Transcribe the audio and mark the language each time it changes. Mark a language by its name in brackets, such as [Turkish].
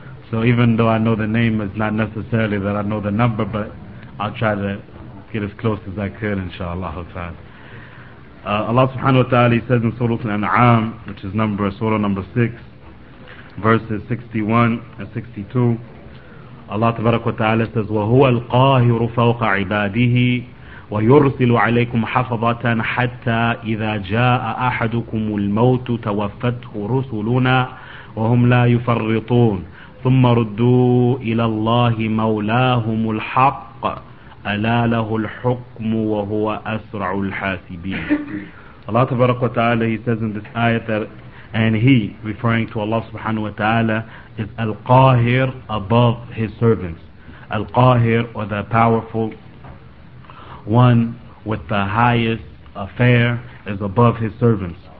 [English] So even though I know the name, it's not necessarily that I know the number, but I'll try to get as close as I could, inshallah. Allah subhanahu wa ta'ala says in Surah Al-An'am, which is surah number 6, verses 61 and 62, Allah tabarak wa ta'ala says, [Arabic] وَهُوَ الْقَاهِرُ فَوْقَ عِبَادِهِ ويرسل عليكم حفظة حتى إذا جاء أحدكم الموت توفته رسلنا وهم لا يفرطون ثم ردوا إلى الله مولاهم الحق ألا له الحكم وهو أسرع الحاسبين. [English] Allah subhanahu wa ta'ala, he says in this ayat that, and he, referring to Allah subhanahu wa ta'ala, is Al-Qahir above his servants. Al-Qahir, or the powerful one with the highest affair, is above his servants.